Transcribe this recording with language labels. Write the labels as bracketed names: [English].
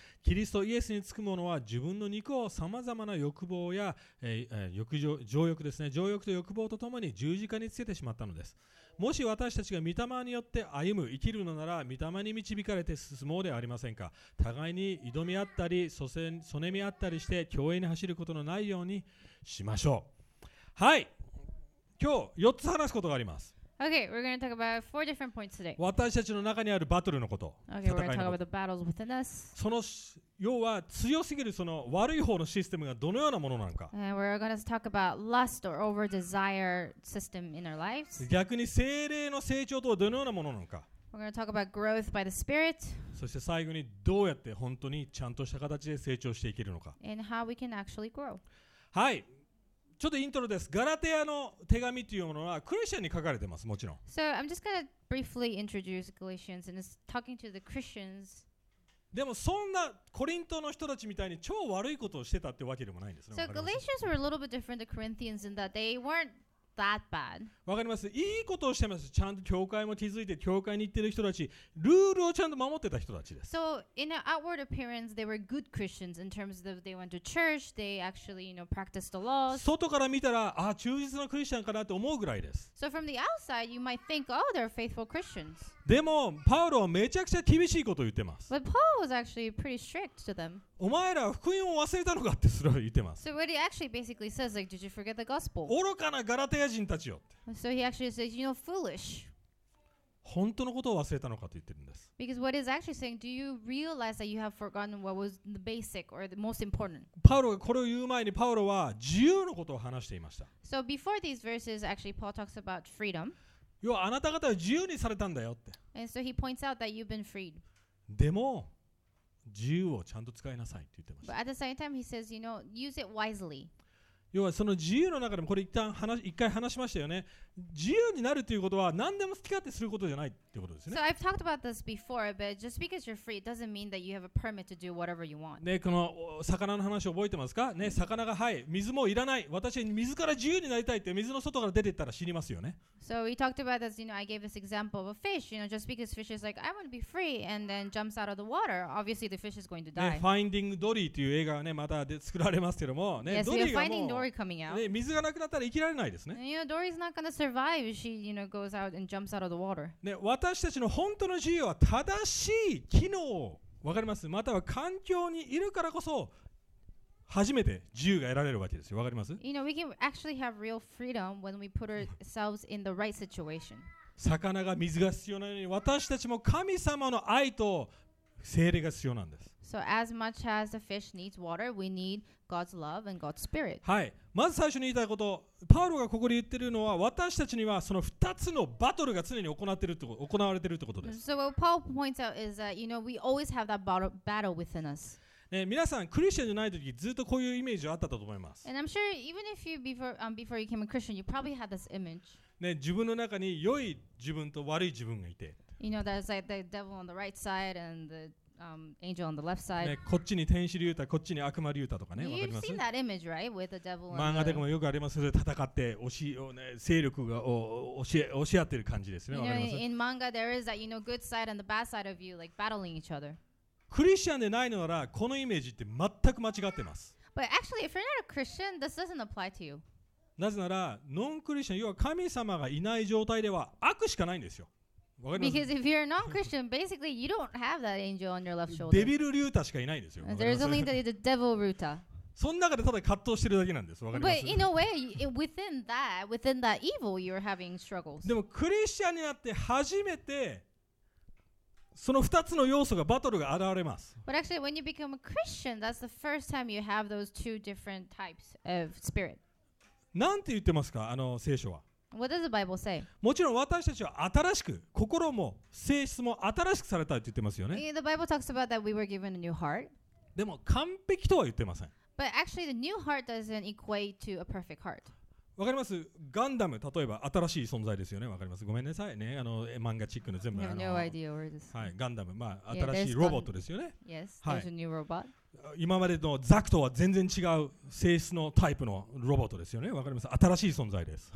[Japanese] キリストイエスにつく者は自分の肉をさまざまな欲望や、情欲と欲望とともに十字架につけてしまったのです。もし私たちが御霊によって歩む、生きるのなら、御霊に導かれて進もうではありませんか。互いに挑み合ったり、そねみ合ったりして、共栄に走ることのないようにしましょう。はい、今日4つ話すことがあります。 [English] Okay, we're going to talk about four different points today. [Japanese] 私たちの中にあるバトルのこと。 [English] Okay, we're going to talk about the battles within us. [Japanese] その要は強すぎるその悪い方のシステムがどのようなものなのか。 [English] And we're going to talk about lust or over desire system in our lives. [Japanese] 逆に聖霊の成長とはどのようなものなのか。 [English] We're going to talk about growth by the Spirit. [Japanese] そして最後にどうやって本当にちゃんとした形で成長していけるのか。 [English] And how we can actually grow. [Japanese] はい。ちょっとイントロです。ガラテヤの手紙というものはクリスチャンに書かれてます、もちろん。 [English] So I'm just gonna briefly introduce Galatians and it's talking to the Christians. [Japanese] でもそんなコリントの人たちみたいに超悪いことをしてたってわけでもないんですね。 [English] So Galatians were a little bit different than Corinthians in that they weren't that bad. [Japanese] わかります。いいことをしてます。ちゃんと教会も気づいて教会に行ってる人たち、ルールをちゃんと守ってた人たちです。 [English] So in an outward appearance, they were good Christians in terms of they went to church, they actually, you know, practiced the laws. [Japanese] 外から見たら、あ、忠実なクリスチャンかなって思うぐらいです。 [English] So from the outside, you might think, oh, they're faithful Christians. [Japanese] でもパウロはめちゃくちゃ厳しいことを言ってます。 [English] But Paul was actually pretty strict to them. [Japanese] お前ら福音を忘れたのかってそれを言ってます。 [English] So what he actually basically says like, did you forget the gospel? [Japanese] 愚かなガラテヤ人たちよって。 [English] So he actually says, you know, foolish. [Japanese] 本当のことを忘れたのかと言ってるんです。 [English] Because what he's actually saying, do you realize that you have forgotten what was the basic or the most important? [Japanese] パウロがこれを言う前にパウロは自由のことを話していました。 [English] So before these verses, actually, Paul talks about freedom. [Japanese] 要はあなた方は自由にされたんだよって。 [English] And so he points out that you've been freed. [Japanese] でも自由をちゃんと使いなさいって言ってました。 [English] But at the same time, he says, you know, use it wisely. [Japanese] 要はその自由の中でもこれ一旦話一回話しましたよね。自由になるということは何でも好き勝手することじゃないってことですね。 [English] So I've talked about this before, but just because you're free doesn't mean that you have a permit to do whatever you want. [Japanese] ね、この魚の話覚えてますか？ね、魚がはい、水もいらない。私は水から自由になりたいって水の外から出てったら死にますよね。 [English] So we talked about this. You know, I gave this example of a fish. You know, just because fish is like, I want to be free, and then jumps out of the water, obviously the fish is going to die. [Japanese] ね、Finding Dory という映画がね、また作られますけども、ね、 [English] Dory、yes, Finding Dory coming out. [Japanese] ね、水がなくなったら生きられないですね。 [English] You know, Dory's not gonna survive. She, you know, goes out and jumps out of the water. [Japanese] ね、私たちの本当の自由は正しい機能、わかります？または環境にいるからこそ初めて自由が得られるわけですよ。わかります？ [English] You know, we can actually have real freedom when we put ourselves in the right situation. [Japanese] 魚が水が必要なように、私たちも神様の愛と聖霊が必要なんです。 [English] So as much as the fish needs water, we need God's love and God's spirit. [Japanese] はい。まず最初に言いたいこと、パウロがここで言ってるのは、私たちにはその2つのバトルが常に行われてるってことです。 [English] So what Paul points out is that, you know, we always have that battle within us. [Japanese] ね、皆さんクリスチャンじゃない時ずっとこういうイメージはあったと思います。 [English] And I'm sure even if you before you became a Christian, you probably had this image. [Japanese] ね、自分の中に良い自分と悪い自分がいて。 [English] You know, there's like the devil on the right side and theAngel on the left side. [Japanese] ね、こっちに天使リュータ、こっちに悪魔リュータとかね、わかります。 [English] You've seen that image, right, with the devil. [Japanese] 漫画でもよくありますよ。戦って押しをね、勢力が押し合ってる感じですね。 [English] You know, in manga, there is that, you know, good side and the bad side of you, like battling each other. [Japanese] クリスチャンでないのなら、このイメージって全く間違ってます。 [English] But actually, if you're not a Christian, this doesn't apply to you. [Japanese] なぜなら、ノンクリスチャン、要は神様がいない状態では悪しかないんですよ。 [English] Because if you're a non-Christian, basically you don't have that angel on your left shoulder. [Japanese] デビルリュータしかいないんですよ。 [English] There's only the devil Ruta. [Japanese] その中でただ葛藤してるだけなんです。わかります。 [English] But in a way, within that evil, you're having struggles. [Japanese] でもクリスチャンになって初めてその2つの要素がバトルが現れます。 [English] But actually, when you become a Christian, that's the first time you have those two different types of spirit. [Japanese] なんて言ってますか、聖書は。 [English] What does the Bible say? [Japanese] もちろん私たちは新しく心も性質も新しくされたって言ってますよね。 [English] The Bible talks about that we were given a new heart. [Japanese] でも完璧とは言ってません。 [English] But actually, the new heart doesn't equate to a perfect heart. [Japanese] わかります？ガンダム例えば新しい存在ですよね。わかります？ごめんなさいね。漫画チックの全部。 [English] I have no idea where this. [Japanese] はい、ガンダム、まあ新しいロボットですよね。 [English] Yes, there's a new robot. [Japanese] 今までのザクとは全然違う性質のタイプのロボットですよね。わかります？新しい存在です。